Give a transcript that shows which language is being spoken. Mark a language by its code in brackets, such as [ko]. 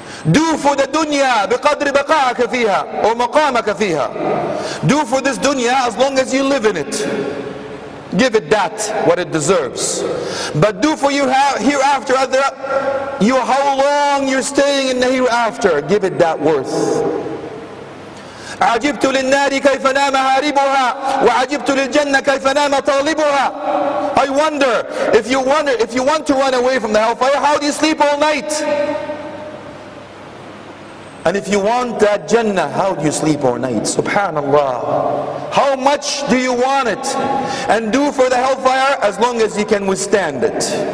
[en] Do for the dunya [ar] بقدر بقاءك فيها [en] or [ar] مقامك فيها. [en] Do for this dunya as long as you live in it. Give it that, what it deserves. But do for you hereafter, how long you're staying in the hereafter. Give it that worth. [ar] عجبت للنار كيف نام هاربها وعجبت للجنة كيف نام طالبها. [en] I wonder, if you want to run away from the hellfire, how do you sleep all night? And if you want that Jannah, how do you sleep all night? Subhanallah. How much do you want it? And do for the hellfire as long as you can withstand it.